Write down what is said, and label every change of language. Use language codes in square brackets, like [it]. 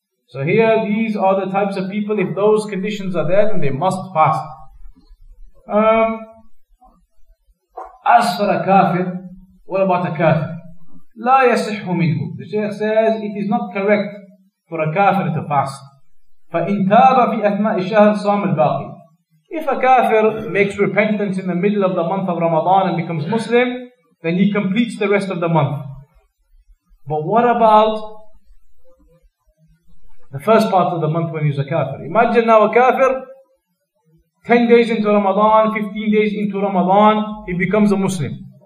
[en] So here, these are the types of people, if those conditions are there, then they must fast. As for a kafir, what about a kafir? [ar] لا يصح منه. [en] The Shaykh says it is not correct for a kafir to fast. [ar] فإن تاب في أثناء الشهر صام الباقي. [en] If a kafir makes repentance in the middle of the month of Ramadan and becomes Muslim, then he completes the rest of the month. But what about the first part of the month when he's a kafir? Imagine now a kafir, 10 days into Ramadan, 15 days into Ramadan, he becomes a Muslim.